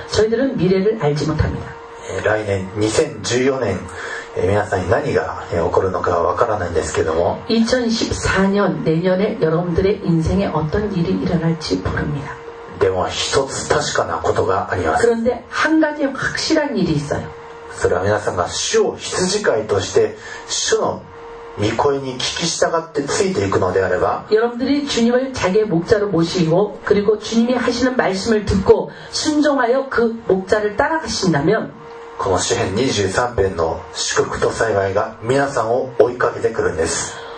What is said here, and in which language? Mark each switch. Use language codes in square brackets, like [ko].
[ko] 저희들은미래를알지못합니다 [ja] 来年2014年皆さんに何が起こるのかは分からないんですけども [ko] 2014년내년에여러분들의인생에어떤일이일어날지모릅니다 [ja] でも一つ確かなことがあります [ko] 그런데한가지확실한일이있어요 [ja] それは皆さんが主を羊飼いとして主の御声に聞き従ってついていくのであれば [ko] 여러분들이주님을자기의목자로모시고그리고주님이하시는말씀을듣고순종하여그목자를따라가신다면 [ja] この詩編23編の祝福と災害が皆さんを追いかけてくるんです